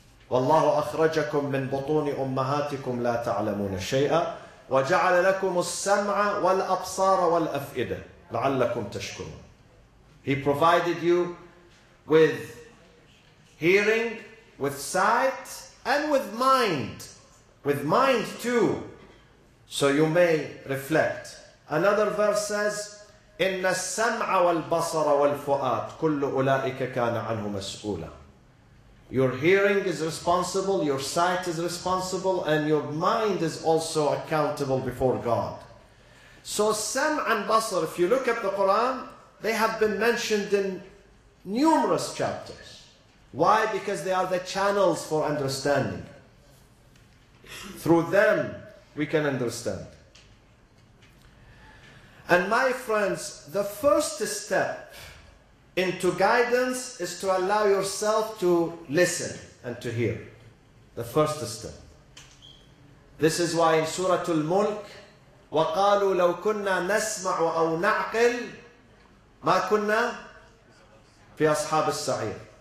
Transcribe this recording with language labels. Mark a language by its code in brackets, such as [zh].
[ar] وَاللَّهُ أَخْرَجَكُمْ مِنْ بُطُونِ أُمَّهَاتِكُمْ لَا تَعْلَمُونَ شَيْئًا وَجَعَلَ لَكُمُ السَّمْعَ وَالْأَبْصَارَ وَالْأَفْئِدَةَ لَعَلَّكُمْ تَشْكُرُونَ. [en] He provided you with hearing, with sight, and with mind. With mind too, so you may reflect. Another verse says, [ar] إِنَّ السَّمْعَ وَالْبَصَرَ وَالْفُؤَادِ كُلُّ أُولَٰئِكَ كَانَ عَنْهُ مَسْئُولًا. [en] Your hearing is responsible, your sight is responsible, and your mind is also accountable before God. So sam and basar, if you look at the Quran, they have been mentioned in numerous chapters. Why? Because they are the channels for understanding. Through them, we can understand. And my friends, the first step into guidance is to allow yourself to listen and to hear. The first step. This is why in Surah Al-Mulk, [ar] وَقَالُوا لَوْ كُنَّا نَسْمَعُ أَوْ نَعْقِلْ مَا كُنَّا فِي أَصْحَابِ السَّعِيرِ.